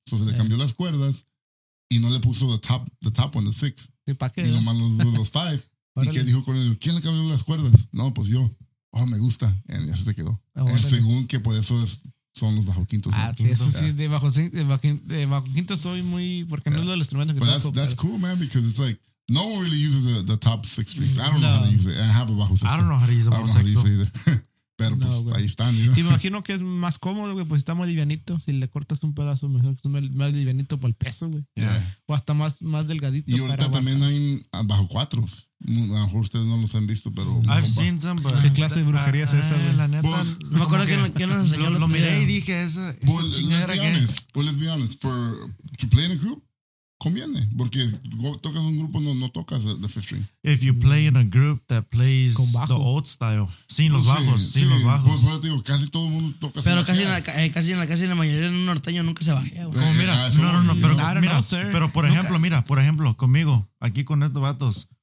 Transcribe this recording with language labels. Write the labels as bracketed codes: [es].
[es] Entonces le cambió las cuerdas y no le puso [en] the top one, the six. [es] ¿Y para qué? Y nomás los five. Y que dijo Cornelio, ¿quién le cambió las cuerdas? No, pues yo. Oh, me gusta. Y así se quedó. Según que por eso es... Son los bajo quintos. Bajo quinto soy muy... Porque no es lo de los instrumentos que tengo. [en] But that's cool, man, because it's like... No one really uses the top six strings. I don't know how to use it. And I have a bajo sexto. I don't know how to use a bajo sexto. I don't know how to use it either. [es] Pero no, pues ahí están, ¿no? Te imagino que es más cómodo, güey, pues está muy livianito. Si le cortas un pedazo, mejor que es más livianito para el peso, güey. [en] Yeah. [es] O hasta más delgadito. Y ahorita para también hay bajo cuatros. A lo mejor ustedes no los han visto, pero... [en] I've seen some, but... [es] ¿Qué clase de brujería es esa, güey? La neta... Pues, me acuerdo que nos enseñó... Lo miré y dije, esa chingadera que... [en] Well, let's be honest. For... To play in a group, conviene. [es] Porque tocas un grupo, no tocas [en] the fifth string. If you play in a group that plays the old style. [es] Sin los bajos. Sin los bajos. Pues, te digo, casi todo el mundo toca... Pero casi en la mayoría de un norteño nunca se bajea, güey. Como, mira... No, pero mira... Pero, por ejemplo, mira, por ejemplo, conmigo, aquí con estos vatos...